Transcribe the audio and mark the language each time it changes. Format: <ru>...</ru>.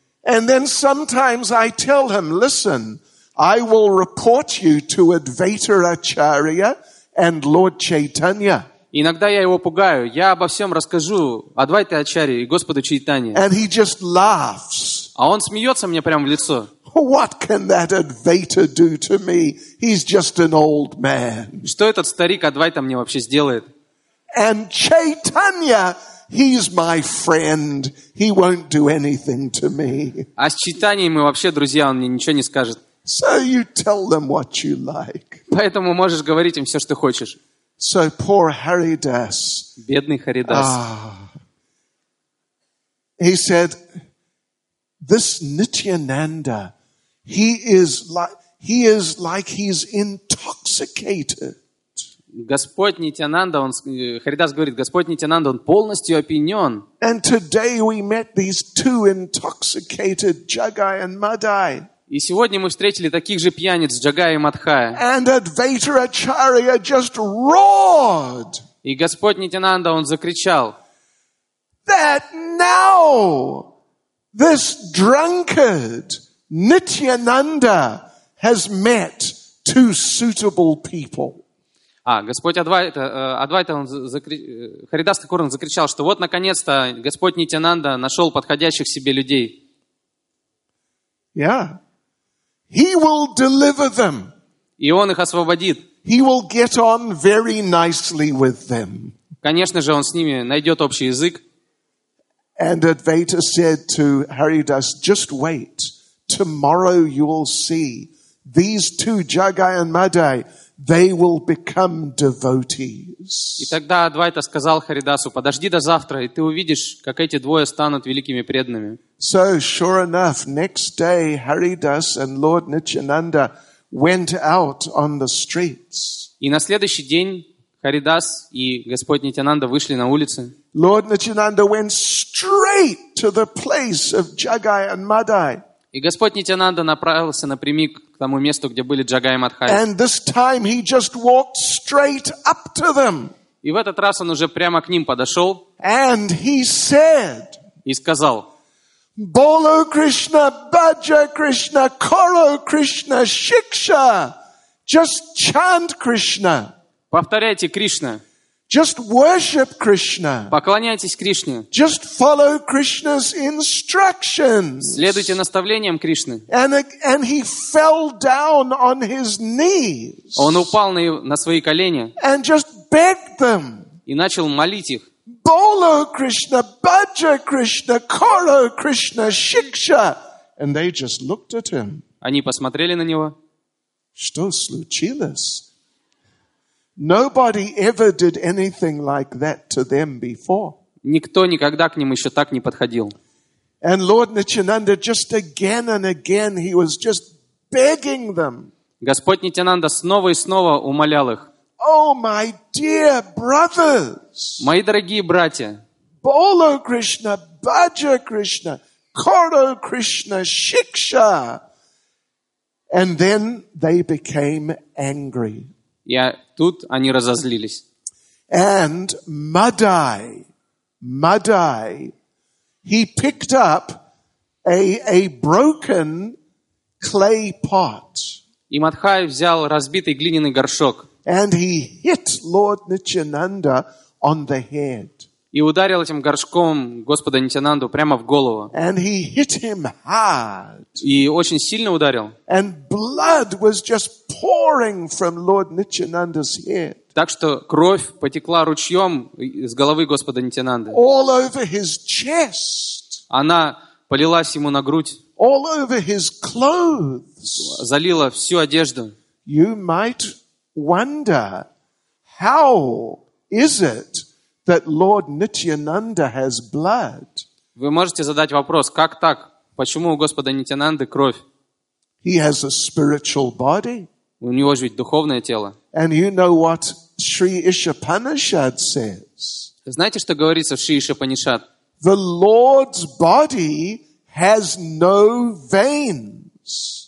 <en>And then sometimes I tell him, "Listen, I will report you to Advaita Acharya and Lord Chaitanya."</en> <ru>Иногда я его пугаю. Я обо всем расскажу Адвайте Ачарье и Господу Чайтанье.</ru> <en>And he just laughs.</en> <ru>А он смеется мне прямо в лицо.</ru> <en>What can that Advaita do to me? He's just an old man.</en> <ru>Что этот старик Адвайта мне вообще сделает?</ru> <en>And Chaitanya, he's my friend. He won't do anything to me.</en> <ru>А с Чайтаньей мы вообще друзья, он мне ничего не скажет.</ru> <en>So you tell them what you like.</en> <ru>Поэтому можешь говорить им все, что хочешь.</ru> <en>So poor Haridas.</en> <ru>Бедный Харидас.</ru> <en>He said, "This Nityananda, he is like he's intoxicated."</en> <ru>Господь Нитянанда, он Харидас говорит, Господь Нитянанда, он полностью опьянен.</ru> <en>And today we met these two intoxicated Jagai and Madai.</en> <ru>И сегодня мы встретили таких же пьяниц, Джагая и Мадхая.</ru> <en>And Advaita Acharya just roared.</en> <ru>И Господь Нитянанда, он закричал.</ru> <en>That now this drunkard Nityananda has met two suitable people.</en> <ru>А, Господь Адвайта, Харидас Такур, он закричал, что вот наконец-то Господь Нитянанда нашел подходящих себе людей.</ru> <en>Yeah. He will deliver them.</en> <ru>И он их освободит.</ru> <en>He will get on very nicely with them.</en> <ru>Конечно же, он с ними найдет общий язык.</ru> <en>And Advaita said to Haridas, "Just wait. Tomorrow you will see these two Jagai and Madai. They will become devotees."</en> <ru>И тогда Адвайта сказал Харидасу: "Подожди до завтра, и ты увидишь, как эти двое станут великими преданными."</ru> <en>So, sure enough, next day Haridas and Lord Nityananda went out on the streets.</en> <ru>И на следующий день Харидас и Господь Нитянанда вышли на улицы.</ru> <en>Lord Nityananda went straight to the place of Jagai and Madai.</en> <ru>И Господь Нитянанда направился напрямик к тому месту, где были Джагай и Мадхай.</ru> <en>And this time he just walked straight up to them.</en> <ru>И в этот раз он уже прямо к ним подошел.</ru> <en>And he said,</en> <ru>и сказал,</ru> <bn>Bolo Krishna, Bhaja Krishna, Koro Krishna, Shiksha.</bn> <en>Just chant Krishna.</en> <ru>Повторяйте Кришна.</ru> <en>Just worship Krishna.</en> <ru>Поклоняйтесь Кришне.</ru> <en>Just follow Krishna's instructions.</en> <ru>Следуйте наставлениям Кришны.</ru> <en>And he fell down on his knees.</en> <ru>Он упал на свои колени.</ru> <en>And just begged them.</en> <ru>И начал молить их.</ru> <bn>Bolo Krishna, Bhaja Krishna, Koro Krishna, Shiksha.</bn> <en>And they just looked at him.</en> <ru>Они посмотрели на него. Что случилось?</ru> <en>Nobody ever did anything like that to them before.</en> <ru>Никто никогда к ним еще так не подходил.</ru> <en>And Lord Nityananda just again and again he was just begging them.</en> <ru>Господь Нитянанда снова и снова умолял их.</ru> <en>Oh, my dear brothers.</en> <ru>Мои дорогие братья.</ru> <bn>Bolo Krishna, Bhaja Krishna, Koro Krishna, Shiksha.</bn> <en>And then they became angry.</en> <ru>Тут они разозлились.</ru> <en>And Madai, he picked up a broken clay pot.</en> <ru>И Мадхай взял разбитый глиняный горшок.</ru> <en>And he hit Lord Nityananda on the head.</en> <ru>И ударил этим горшком Господа Нитянанду прямо в голову.</ru> <en>And he hit him hard.</en> <ru>И очень сильно ударил.</ru> <en>And blood was just pouring from Lord Nityananda's head.</en> <ru>Так что кровь потекла ручьем из головы Господа Нитянанды.</ru> <en>All over his chest.</en> <ru>Она полилась ему на грудь.</ru> <en>All over his clothes.</en> <ru>Залила всю одежду.</ru> <en>You might wonder how is it that Lord Nityananda has blood?</en> <ru>Вы можете задать вопрос, как так? Почему у Господа Нитянанды кровь?</ru> <en>He has a spiritual body.</en> <ru>У него же ведь духовное тело.</ru> <en>And you know what Sri Ishapanishad says?</en> <ru>Знаете, что говорится в Шри Ишапанишад?</ru> <en>The Lord's body has no veins.</en>